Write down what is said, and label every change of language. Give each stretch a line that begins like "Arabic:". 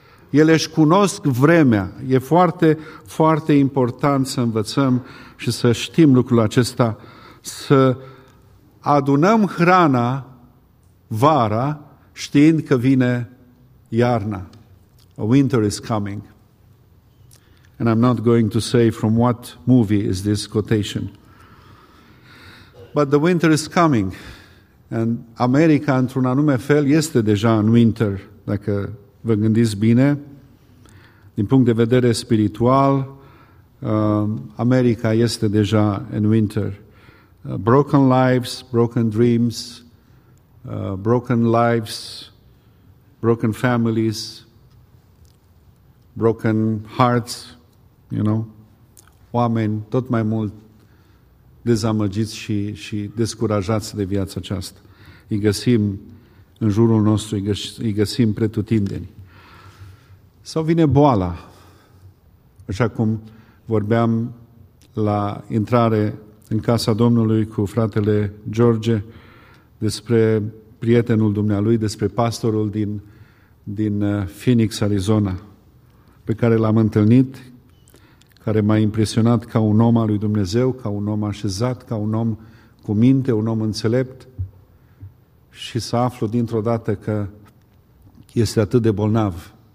Romanian: Ele își cunosc vremea. E foarte, foarte important să învățăm și să știm lucrul acesta, să adunăm hrana vara știind că vine iarna.
English: A winter is coming. And I'm not going to say from what movie is this quotation. But the winter is coming.
Romanian: And America, într-un anume fel, este deja în winter, dacă vă gândiți bine. Din punct de vedere spiritual, America este deja în winter.
English: Broken lives, broken dreams, broken lives, broken families, broken hearts, you know.
Romanian: Oameni tot mai mult dezamăgiți și descurajați de viața aceasta. Îi găsim în jurul nostru, îi găsim pretutindeni. Sau vine boala, așa cum vorbeam la intrare în casa Domnului cu fratele George despre prietenul dumnealui, despre pastorul din Phoenix, Arizona, pe care l-am întâlnit, care m-a impresionat ca un om al lui Dumnezeu, ca un om așezat, ca un om cu minte, un om înțelept și să aflu dintr-o dată că este atât de bolnav.